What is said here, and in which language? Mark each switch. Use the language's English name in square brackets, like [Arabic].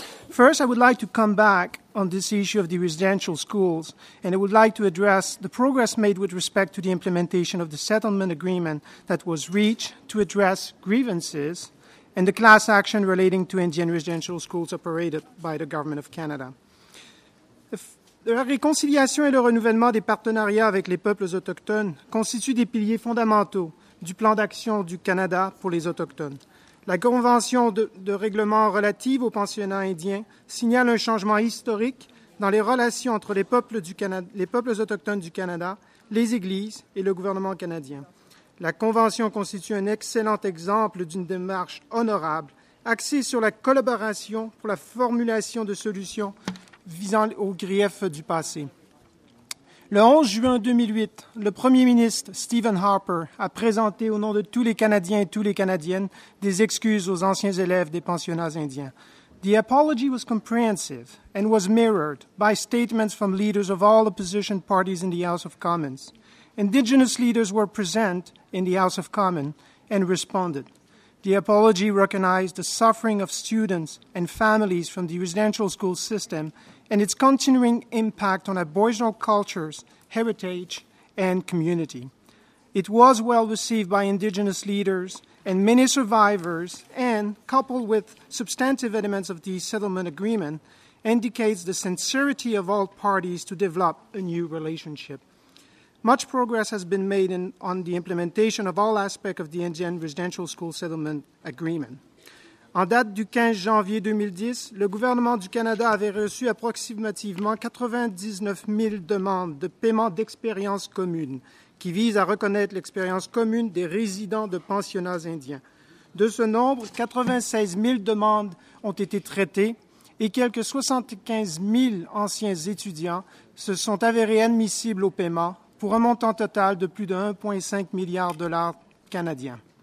[English] First, I would like to come back on this issue of the residential schools, and I would like to address the progress made with respect to the implementation of the settlement agreement that was reached to address grievances and the class action relating to Indian residential schools operated by the Government of Canada. [French] La réconciliation et le renouvellement des partenariats avec les peuples autochtones constituent des piliers fondamentaux du plan d'action du Canada pour les autochtones. La convention de règlement relative aux pensionnats indiens signale un changement historique dans les relations entre les peuples autochtones du Canada, les églises et le gouvernement canadien. La convention constitue un excellent exemple d'une démarche honorable axée sur la collaboration pour la formulation de solutions visant aux griefs du passé. Le 11 juin 2008, le Premier ministre Stephen Harper a présenté au nom de tous les Canadiens et toutes les Canadiennes des excuses aux anciens élèves des pensionnats indiens. [English] The apology was comprehensive and was mirrored by statements from leaders of all opposition parties in the House of Commons. Indigenous leaders were present in the House of Commons and responded. The apology recognized the suffering of students and families from the residential school system and its continuing impact on Aboriginal cultures, heritage, and community. It was well received by Indigenous leaders and many survivors, and coupled with substantive elements of the settlement agreement, indicates the sincerity of all parties to develop a new relationship. Much progress has been made on the implementation of all aspects of the Indian Residential School Settlement Agreement. [French] En date du 15 janvier 2010, le gouvernement du Canada avait reçu approximativement 99 000 demandes de paiement d'expérience commune qui visent à reconnaître l'expérience commune des résidents de pensionnats indiens. De ce nombre, 96 000 demandes ont été traitées et quelques 75 000 anciens étudiants se sont avérés admissibles au paiement pour un montant total de plus de 1,5 milliard de dollars canadiens.